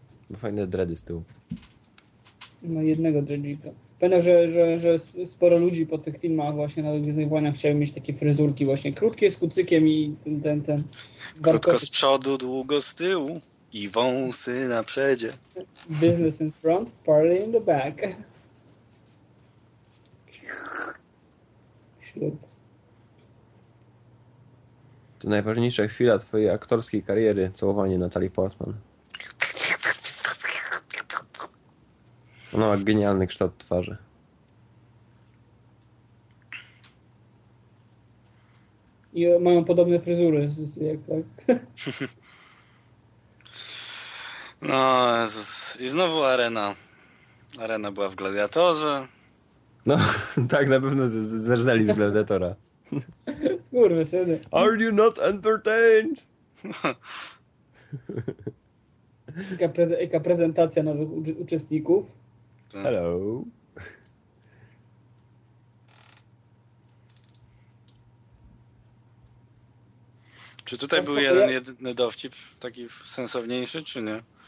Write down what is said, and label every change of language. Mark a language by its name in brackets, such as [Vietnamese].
[Polish] Bo fajne dready z tyłu. No jednego dreadzika. Pamiętam, że sporo ludzi po tych filmach właśnie na Gwiezdnych Wojnach chciały mieć takie fryzurki właśnie. Krótkie z kucykiem i ten. Krótko z przodu, długo z tyłu. I wąsy na przedzie. [English] Business in front, party in the back. [Polish] To najważniejsza chwila twojej aktorskiej kariery, całowanie Natalie Portman. Ona ma genialny kształt twarzy. I mają podobne fryzury. Jak tak. No Jezus. I znowu arena. Arena była w Gladiatorze. No, tak, na pewno zerznęli z Gladiatora. Kurwa, syny. [English] Are you not entertained? [Polish] Jaka prezentacja nowych uczestników. [English] Hello. [Polish] Czy tutaj był jeden jedyny dowcip, taki sensowniejszy, czy nie?